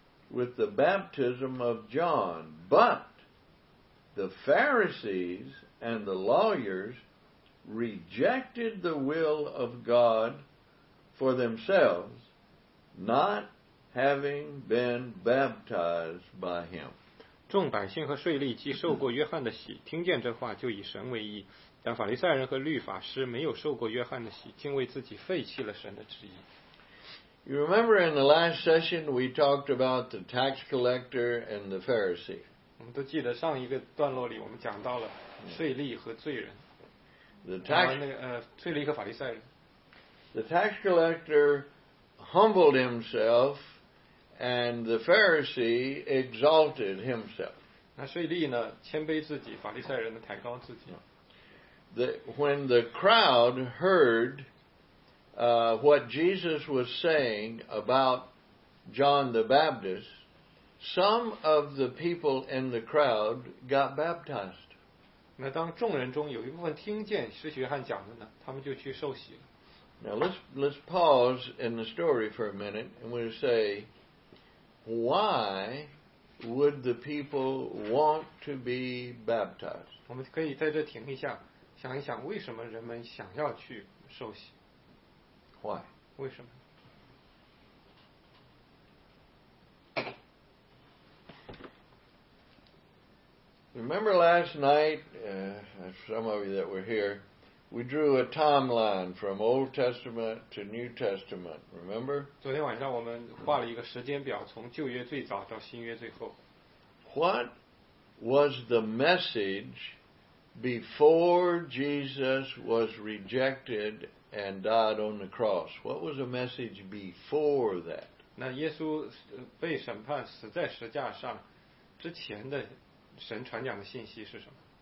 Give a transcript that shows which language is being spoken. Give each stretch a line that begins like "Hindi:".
English: With the baptism of John, but the Pharisees and the lawyers rejected the will of God for themselves, not having been baptized by him.
Chinese: 众百姓和税吏既受过约翰的洗，听见这话就以神为义，但法利赛人和律法师没有受过约翰的洗，竟为自己废弃了神的旨意。
English: You remember in the last session we talked about the tax collector and the Pharisee.
Chinese: 我们都记得上一个段落里我们讲到了税吏和罪人。
English: The tax
Chinese: 税吏和法利赛人。
English: The tax collector humbled himself, and the Pharisee exalted himself.
Chinese: 那税吏呢，谦卑自己，法利赛人呢，抬高自己。
English: When the crowd heard. What Jesus was saying about John the Baptist, some of the people in the crowd got baptized.
Chinese: 那当众人中有一部分听见施洗约翰讲的呢，他们就去受洗了。
English: Now let's pause in the story for a minute and we'll say, why would the people want to be baptized?
Chinese: 我们可以在这停一下，想一想为什么人们想要去受洗。
English: Why?
Chinese: 为什么？
English: Remember last night, some of you that were here, we drew a timeline from Old Testament to New Testament. Remember?
Chinese: 昨天晚上我们画了一个时间表，从旧约最早到新约最后。
English: What was the message before Jesus was rejected and died on the cross, what was the message before that?
Chinese: 那耶稣被审判死在十架上之前的神传讲的信息是什么？